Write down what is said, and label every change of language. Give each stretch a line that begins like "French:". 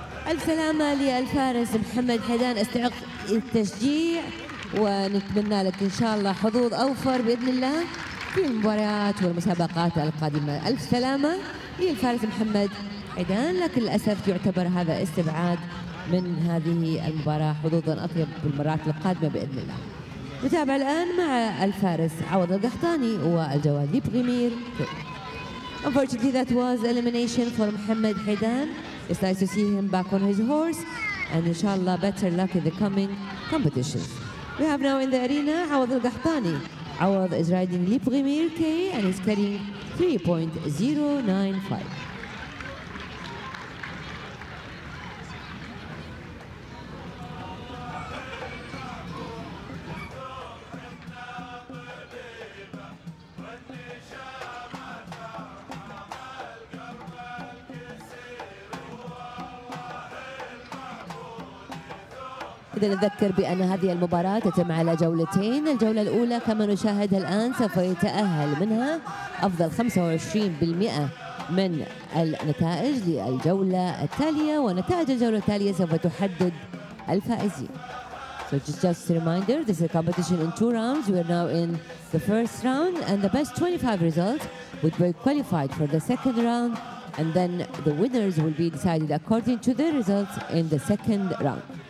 Arabic: السلامة للفارس محمد حيدان، استحق التشجيع ونتمنى لك إن شاء الله حظوظ أوفر بإذن الله في المباريات والمسابقات القادمة. ألف سلامة للفارس محمد حيدان، لكن للأسف يعتبر هذا استبعاد من هذه المباراة، حظوظا أطيب بالمرات القادمة بإذن الله. نتابع الآن مع الفارس عوض القحطاني والجواد لبغمير.
English: Unfortunately that was elimination for محمد حيدان. It's nice to see him back on his horse, and inshallah, better luck in the coming competition. We have now in the arena Awad al-Gahtani. Awad is riding Lip Ghimir K, and he's carrying 3.095.
Arabic: إذا نذكر بأن هذه المباراة تتم على جولتين، الجولة الأولى كما نشاهدها الآن سوف يتأهل منها أفضل 25% من النتائج للجولة التالية، ونتائج الجولة التالية سوف تحدد الفائزين.
English: So just a reminder, this is a competition in two rounds. We are now in the first round and the best 25 results would be qualified for the second round and then the winners will be decided according to their results in the second round.